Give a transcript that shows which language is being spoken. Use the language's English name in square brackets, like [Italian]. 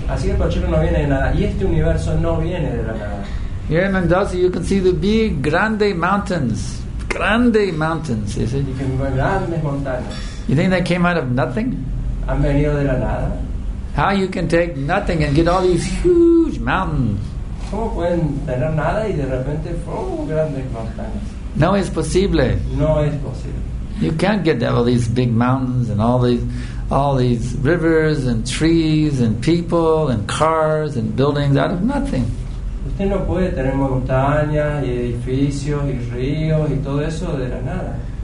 [Spanish] Así que pochoclo no viene de nada, y este universo no viene de nada. [English] Here in Mendoza, you can see the big, grande mountains. Grande mountains, you see? [Spanish] Y que hay grandes montañas. [English] You think that came out of nothing? [Spanish] Han venido de la nada. [English] How you can take nothing and get all these huge mountains? [Spanish] ¿Cómo pueden tener nada y de repente grandes montañas? No es posible. No es posible. [English] You can't get all these big mountains and all these rivers and trees and people and cars and buildings out of nothing. [Spanish] Usted no puede tener montañas y edificios y ríos y todo eso de la nada.